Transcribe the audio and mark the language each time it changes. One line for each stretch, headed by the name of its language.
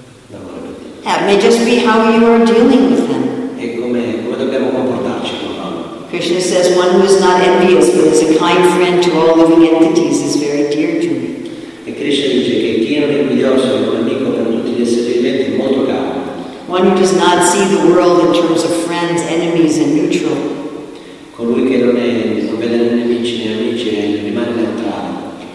English: That may just be how you are dealing with them.
Italian: E come dobbiamo comportarci con loro?
English: Krishna says, "One who is not envious but is a kind friend to all living entities is very dear to me."
Italian: E Krishna dice che chi non è invidioso è un amico per tutti gli esseri viventi, molto caro.
English: One who does not see the world in terms of friends, enemies, and neutral.
Italian: Colui che non vede né nemici né amici e rimane neutrale.